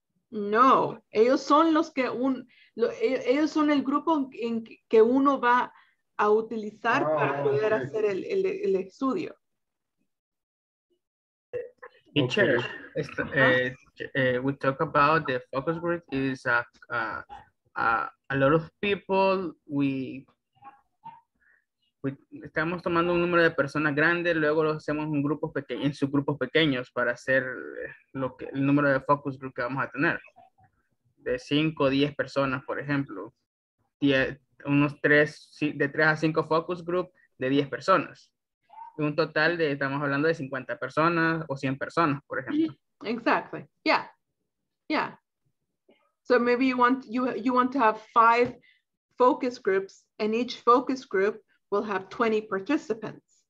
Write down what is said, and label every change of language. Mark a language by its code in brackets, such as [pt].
[es] No, ellos son los que ellos son el grupo en que uno va a utilizar para poder hacer el estudio. [en] Teacher, we talk about the focus group is a lot of people. [es] We estamos tomando un número de personas grandes, luego lo hacemos en grupos pequeños, en subgrupos pequeños para hacer lo que el número de focus group que vamos a tener de 5 o 10 personas, por ejemplo, de 3 a 5 focus group de 10 personas. Un total de, estamos hablando de 50 personas o 100 personas, por ejemplo. [en] Exactly. Yeah. Yeah. So maybe you want to have 5 focus groups, and each focus group will have 20 participants.